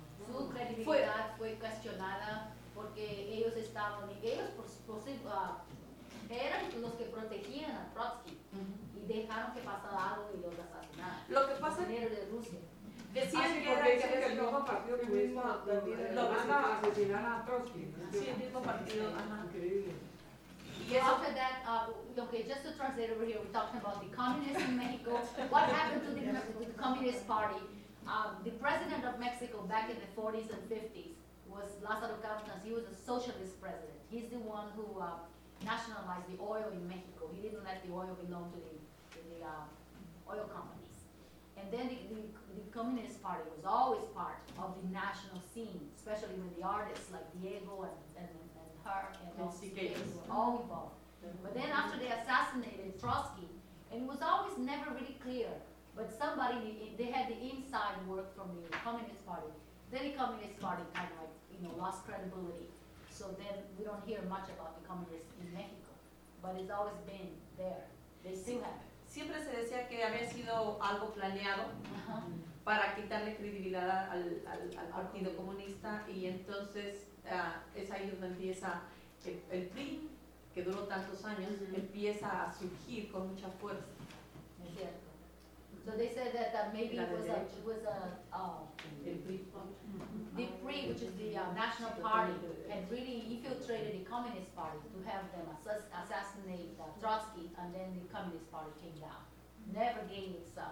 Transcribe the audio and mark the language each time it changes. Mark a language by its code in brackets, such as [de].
[es] Su credibilidad fue cuestionada porque ellos estaban, eran los que protegían a Trotsky y dejaron que pasara algo y los asesinaron. Lo que pasa es que de Rusia. Decían que era que el nuevo partido comunista lo van a asesinar a Trotsky. Sí, el mismo partido. Increíble. [en] Y after that, just to translate over here, we're talking about the communists in Mexico. What happened to the Communist Party? The president of Mexico back in the 40s and 50s was Lázaro Cárdenas. He was a socialist president. He's the one who nationalized the oil in Mexico. He didn't let the oil belong to the oil company. And then the Communist Party was always part of the national scene, especially with the artists like Diego and her and Siqueiros were all involved. But then after they assassinated Trotsky, and it was always never really clear, but somebody, they had the inside work from the Communist Party. Then the Communist Party kind of lost credibility. So then we don't hear much about the Communists in Mexico, but it's always been there. They still have it. [es] Siempre se decía que había sido algo planeado para quitarle credibilidad al Partido Comunista, y entonces es ahí donde empieza el PRI, que duró tantos años, empieza a surgir con mucha fuerza. Es cierto. [en] So they said that maybe it was the PRI, which is the National Party, had really infiltrated the Communist Party to have them assassinate Trotsky, and then the Communist Party came down. Never gained its